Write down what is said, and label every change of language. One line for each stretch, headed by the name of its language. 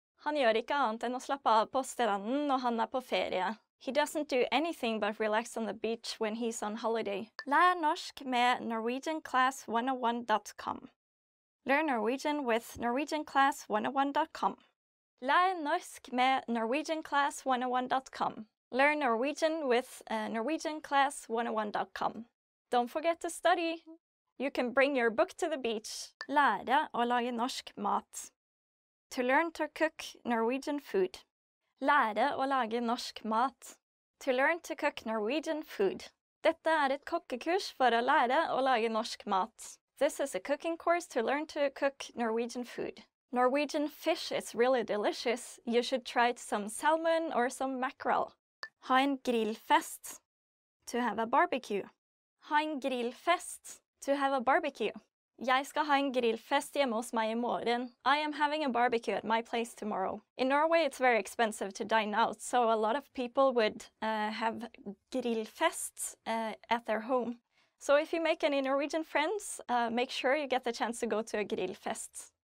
Norwegian: Han gjør ikke annet enn å slappe av på stranden når han på ferie.
English: He doesn't do anything but relax on the beach when he's on holiday.
Norwegian: Lær norsk med NorwegianClass101.com.
English: Learn Norwegian with NorwegianClass101.com.
Norwegian: Lær norsk med NorwegianClass101.com.
English: Learn Norwegian with NorwegianClass101.com. Don't forget to study. You can bring your book to the beach.
Norwegian: Lære å lage norsk mat.
English: To learn to cook Norwegian food.
Norwegian: Lære å lage norsk mat.
English: To learn to cook Norwegian food.
Norwegian: Dette et kokkekurs for å lære å lage norsk mat.
English: This is a cooking course to learn to cook Norwegian food. Norwegian fish is really delicious. You should try some salmon or some mackerel.
Norwegian: Ha en grillfest.
English: To have a barbecue.
Norwegian: Ha en grillfest.
English: To have a barbecue.
Norwegian: Jeg skal ha en grillfest hjemme hos meg I morgen.
English: I am having a barbecue at my place tomorrow. In Norway, it's very expensive to dine out, so a lot of people would have grillfests at their home. So if you make any Norwegian friends, make sure you get the chance to go to a grillfest.